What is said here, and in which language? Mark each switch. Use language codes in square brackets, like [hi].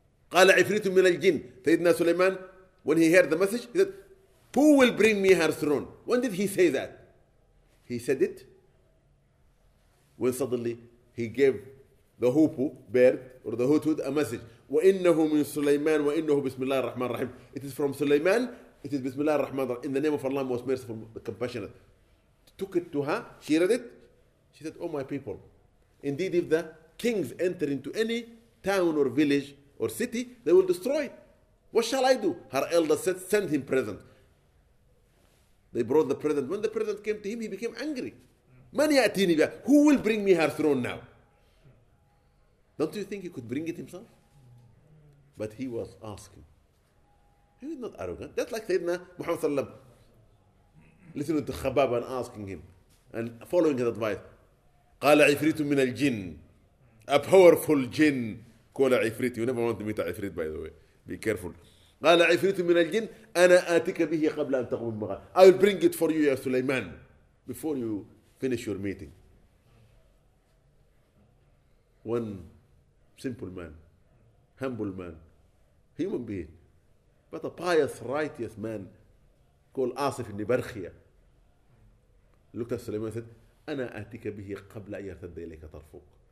[ar] قال عفريت من الجن. [en] سيدنا سليمان when he heard the message he said who will bring me her throne. When did he say that? He said it when suddenly he gave the hoopoe bird or the hoot hoot a message. [ar] وإنه من سليمان وإنه بسم الله الرحمن الرحيم. [en] It is from سليمان. [ar] It is بسم الله الرحمن الرحيم. [en] In the name of Allah most merciful, compassionate. Took it to her. She read it. She said, oh my people, indeed if the kings enter into any town or village or city, they will destroy it. What shall I do? Her elder said, send him present. They brought the present. When the present came to him, he became angry. [ar] من يأتيني بها? [en] Who will bring me her throne now? Don't you think he could bring it himself? But he was asking. He was not arrogant. That's like Sayyidina Muhammad Sallam listening to Khabab and asking him and following his advice. [ar] قال عفريت من الجن. [en] A powerful jinn. [ar] قال عفريت. [en] You never want to meet a عفريت, by the way. Be careful. [ar] قال عفريت من الجن. أنا آتك به قبل أن تقوم بها. [en] I will bring it for you, يا سليمان, before you finish your meeting. One simple man. Humble man, human being, but a pious, righteous man called Asif ibn Barkhiya looked at Sulaiman and said, [ar] "Ana atika bihi qabla an yartadda ilayka tarfuk.